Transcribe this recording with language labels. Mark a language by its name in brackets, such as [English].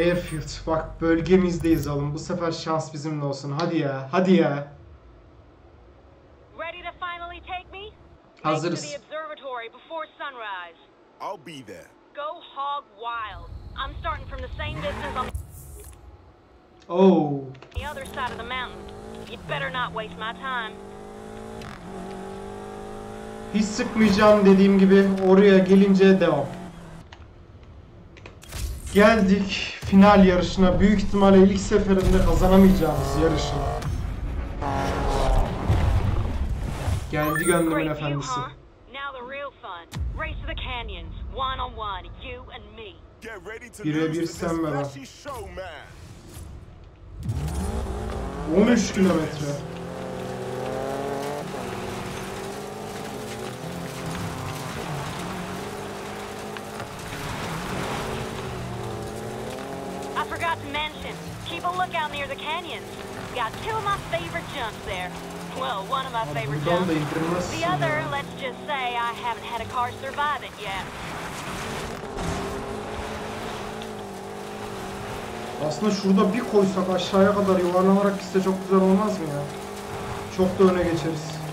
[Turkish] Airfield, bak bölgemizdeyiz oğlum. Bu sefer şans bizimle olsun. Hadi ya, hadi ya. [English] Ready to finally take me? [Turkish] Hazırız. [English] To the observatory before sunrise. I'll be there. Go hog wild. I'm starting from the same distance on. Oh. The other side of the mountain. You better not waste my time. [Turkish] Hiç sıkmayacağım, dediğim gibi oraya gelince devam. Geldik final yarışına. Büyük ihtimalle ilk seferinde kazanamayacağımız yarışı. Geldi gönlümün efendisi. [English] Now the real fun. Race to the canyons. One on one. You and me. [Turkish] Birebir sen ve ben. 13 kilometre. [English] I forgot to mention, keep a lookout near the canyons. Got two of my favorite jumps there. Well, one of my favorite jumps. The other, let's just say, I haven't had a car survive it yet. [Turkish] Aslında şurada bir koysak aşağıya kadar yuvarlanarak gitse çok güzel olmaz mı ya? Çok da öne geçeriz.